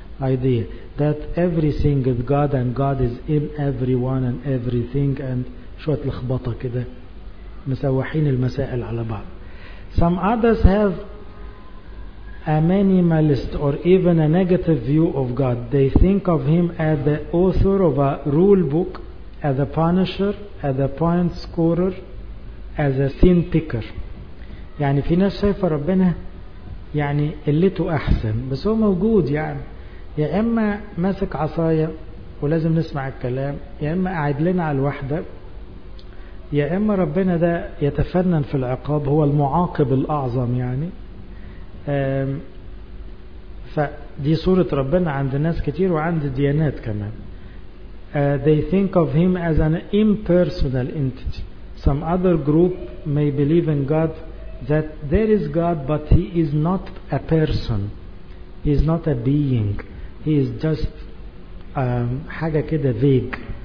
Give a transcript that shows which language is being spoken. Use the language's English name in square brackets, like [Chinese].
[English] idea that everything is God and God is in everyone and everything, and [Arabic] شوية لخبطة كده مسوحين المسائل على بعض. [English] Some others have a minimalist or even a negative view of God. They think of him as the author of a rule book, as a punisher, as a point scorer, as a sin picker. [Arabic] يعني في ناس شايفة ربنا يعني قلته أحسن بس هو موجود يعني يا إما ماسك عصاية ولازم نسمع الكلام، يا إما قاعد لنا على الوحدة، يا إما ربنا ده يتفنن في العقاب هو المعاقب الأعظم يعني. فدي صورة ربنا عند ناس كتير وعند ديانات كمان. [English] They think of him as an impersonal entity. Some other group may believe in God that there is God but he is not a person, he is not a being, he is just [Arabic] حاجة كده [English] vague.